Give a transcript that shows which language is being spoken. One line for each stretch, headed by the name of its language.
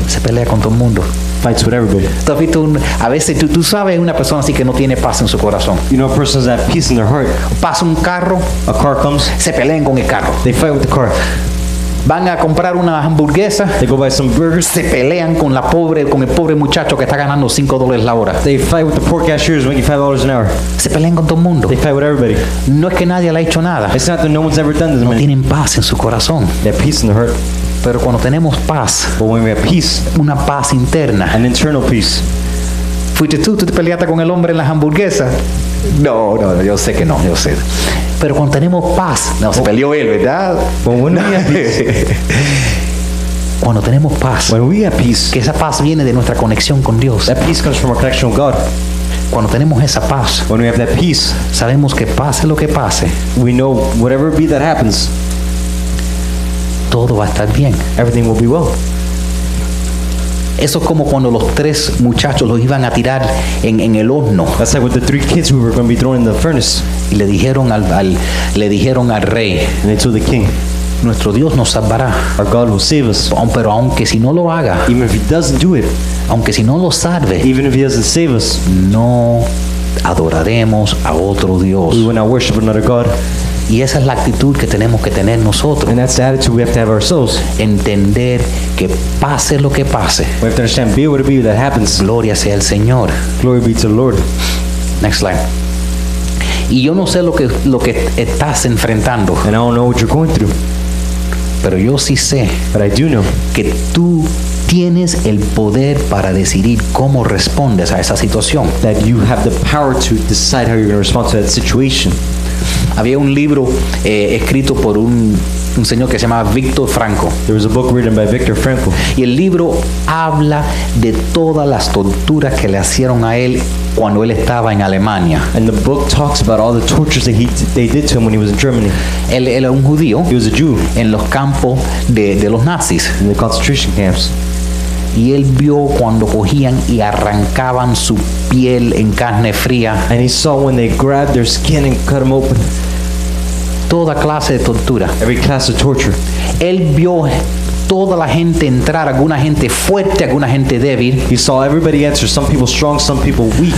Spanish: Se pelea con todo el mundo.
English: Fights with everybody.
Spanish: A veces tú sabes una persona así que no tiene paz en su corazón.
English: You know a person that has peace in their heart.
Spanish: Pasa un carro.
English: A car comes.
Spanish: Se pelean con el carro.
English: They fight with the car.
Spanish: Van a comprar una hamburguesa.
English: They go buy some burgers.
Spanish: Se pelean con la pobre, con el pobre muchacho que está ganando $5 la hora.
English: They fight with the poor cashier who's making $5 an hour.
Spanish: Se pelean con todo el mundo.
English: They fight with everybody.
Spanish: No es que nadie le ha hecho nada.
English: It's not that no one's ever done this.
Spanish: No tienen paz en su corazón.
English: They have peace in their heart.
Spanish: Pero cuando tenemos paz.
English: But when we have peace.
Spanish: Una paz interna.
English: An internal peace.
Spanish: Fuiste tú te peleaste con el hombre en la hamburguesa. No, yo sé que no, yo sé. Pero cuando tenemos paz, no, se peleó él, ¿verdad? Cuando tenemos paz,
English: when we have peace,
Spanish: que esa paz viene de nuestra conexión con Dios.
English: That peace comes from our connection with God.
Spanish: Cuando tenemos esa paz,
English: when we have that peace,
Spanish: sabemos que pase lo que pase,
English: we know whatever be that happens,
Spanish: todo va a estar bien.
English: Everything will be well.
Spanish: Eso es como cuando los tres muchachos los iban a tirar en el horno.
English: That's like with the three kids who were going to be thrown in the furnace.
Spanish: Y le dijeron al rey.
English: And they told the king.
Spanish: Nuestro Dios nos salvará.
English: Our God will save us.
Spanish: Pero aunque si no lo haga.
English: Even if he doesn't do it.
Spanish: Aunque si no lo salve.
English: Even if he doesn't save us.
Spanish: No adoraremos a otro Dios.
English: We will not worship another God.
Spanish: Y esa es la actitud que tenemos que tener nosotros.
English: And that's the attitude we have to have ourselves.
Spanish: Entender que pase lo que pase.
English: We have to understand, be what it be that happens.
Spanish: Gloria sea al Señor.
English: Glory be to the Lord. Next slide.
Spanish: Y yo no sé lo que estás enfrentando.
English: And I don't know what you're going through.
Spanish: Pero yo sí sé.
English: But I do know.
Spanish: Que tú tienes el poder para decidir cómo respondes a esa situación.
English: That you have the power to decide how you're going to respond to that situation.
Spanish: Había un libro escrito por un señor que se llamaba Viktor Frankl.
English: There was a book written by Viktor Frankl.
Spanish: Y el libro habla de todas las torturas que le hicieron a él cuando él estaba en Alemania.
English: And the book talks about all the tortures that they did to him when he was in Germany.
Spanish: Él era un judío.
English: He was a Jew.
Spanish: En los campos de los nazis.
English: In the concentration camps.
Spanish: Y él vio cuando cogían y arrancaban su piel en carne fría.
English: And he saw when they grabbed their skin and cut them open.
Spanish: Toda clase de tortura.
English: Every class of torture.
Spanish: Él vio toda la gente entrar, alguna gente fuerte, alguna gente débil.
English: He saw everybody enter, some people strong, some people weak.